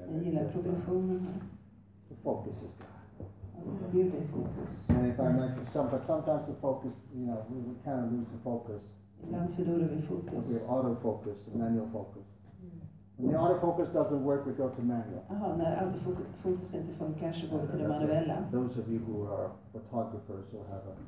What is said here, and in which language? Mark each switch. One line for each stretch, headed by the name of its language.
English: And you like progression. The focus is God. You the focus. And if I mention some, but sometimes the focus, we kind of lose the focus.
Swedish: Ibland förlorar
English: vi focus. We auto focus, manual focus. When the auto focus doesn't work, we go to manual.
Swedish: Aha, när auto focus inte funkar, så går vi till det manuella.
English: Those of you who are photographers will have a.